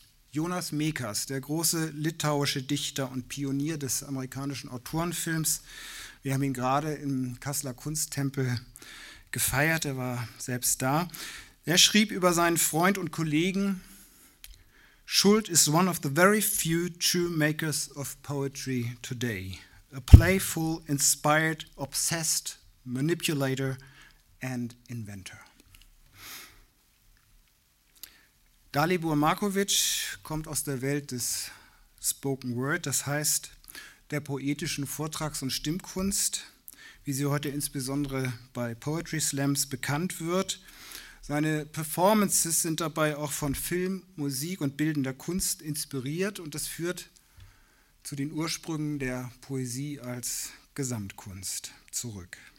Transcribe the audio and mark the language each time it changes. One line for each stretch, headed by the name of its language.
German: Jonas Mekas, der große litauische Dichter und Pionier des amerikanischen Autorenfilms. Wir haben ihn gerade im Kasseler Kunsttempel gefeiert, er war selbst da. Er schrieb über seinen Freund und Kollegen,
English: Schuld is one of the very few true makers of poetry today. A playful, inspired, obsessed manipulator and inventor.
German: Dalibor Markovic kommt aus der Welt des Spoken Word, das heißt der poetischen Vortrags- und Stimmkunst, wie sie heute insbesondere bei Poetry Slams bekannt wird. Seine Performances sind dabei auch von Film, Musik und bildender Kunst inspiriert und das führt zu den Ursprüngen der Poesie als Gesamtkunst zurück.